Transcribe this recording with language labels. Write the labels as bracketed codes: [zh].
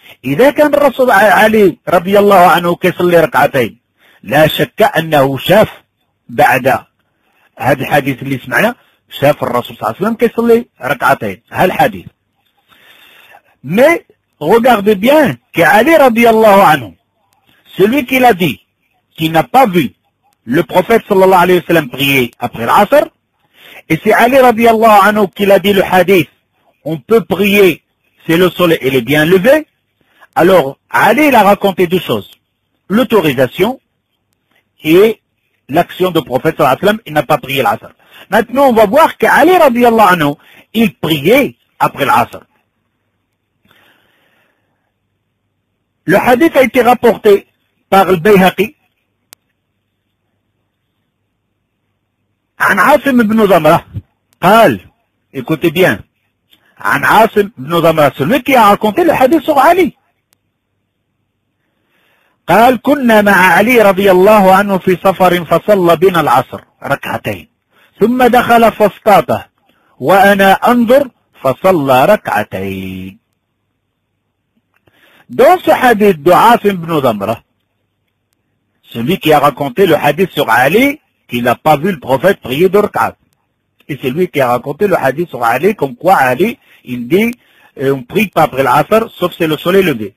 [ar] اذا كان الرسول علي رضي الله عنه كيصلي ركعتين، لا شك انه شاف بعد هذا الحديث اللي سمعناه، شاف الرسول صلى الله عليه وسلم كيصلي ركعتين، هالحديث. [fr] مي غوغارد بيان كعلي رضي الله عنه. Celui qui l'a dit, qui n'a pas vu le prophète sallallahu alayhi wa sallam prier après l'Asr, et c'est Ali radiallahu anhu qui l'a dit le hadith, on peut prier si le soleil il est bien levé. Alors Ali il a raconté deux choses, l'autorisation et l'action du prophète sallallahu alayhi wa sallam, il n'a pas prié l'Asr. Maintenant on va voir qu'Ali radiallahu anhu, il priait après l'Asr. Le hadith a été rapporté par le Bayhaqi [ar] عن عاصم بن زمرة قال, [fr] écoutez bien, [ar] عن عاصم بن زمرة, [fr] celui qui a raconté le hadith sur Ali, [ar] قال كنا مع علي رضي الله عنه في سفر فصلى بنا العصر ركعتين ثم دخل فاصطاده وأنا أنظر فصلى ركعتين. [fr] Dans ce hadith de Asim ibn Zamra, celui qui a raconté le hadith sur Ali, qui n'a pas vu le prophète prier de rak'at. Et c'est lui qui a raconté le hadith sur Ali, comme quoi Ali, il dit, on ne prie pas après l'Asr, sauf si le soleil levé.